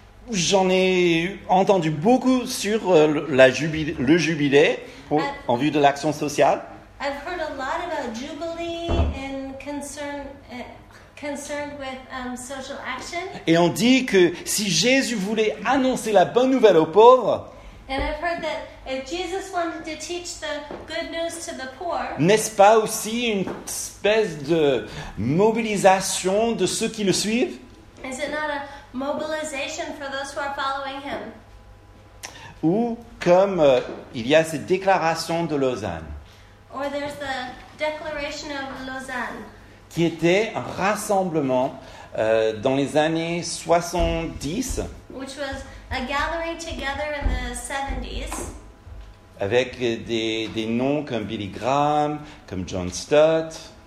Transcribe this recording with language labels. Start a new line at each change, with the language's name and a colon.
French: J'en ai entendu beaucoup sur le jubilé en vue de l'action sociale.
English: I've heard a lot about jubilee and concerned with social action.
French: Et on dit que si Jésus voulait annoncer la bonne nouvelle aux pauvres,
English: and I've heard that if Jesus wanted to teach the good news to the poor,
French: n'est-ce pas aussi une espèce de mobilisation de ceux qui le suivent?
English: Is it not a mobilization for those who are following him?
French: Ou comme il y a cette déclaration de Lausanne.
English: Or there's the declaration of Lausanne.
French: Qui était un rassemblement dans les années 70.
English: Which was a gathering together in the 70s.
French: Avec des noms comme Billy Graham, comme John Stott.